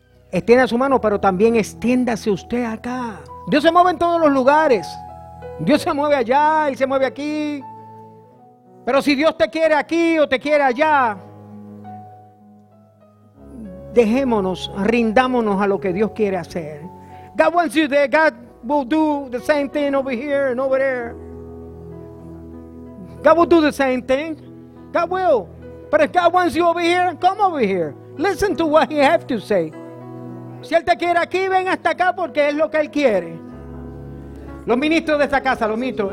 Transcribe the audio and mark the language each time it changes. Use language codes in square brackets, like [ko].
[es] Extienda su mano, pero también extiéndase usted acá. Dios se mueve en todos los lugares. Dios se mueve allá y se mueve aquí. Pero si Dios te quiere aquí o te quiere allá, dejémonos, rindámonos a lo que Dios quiere hacer. [en] God wants you there. God will do the same thing over here and over there. God will do the same thing. God will. But if God wants you over here, come over here. Listen to what he has to say. [es] Si él te quiere aquí, ven hasta acá porque es lo que él quiere. Los ministros de esta casa, los ministros.